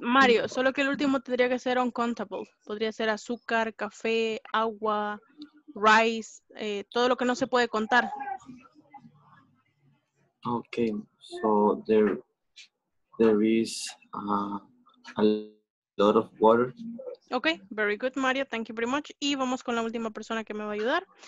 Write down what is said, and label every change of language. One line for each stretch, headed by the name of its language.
Spanish: Mario, solo que el último tendría que ser uncountable. Podría ser azúcar, café, agua, rice, todo lo que no se puede contar.
English: Okay, so there is a lot of water. Okay, very good, Mario. Thank you very much.
Spanish: Y vamos con la última persona que me va a ayudar.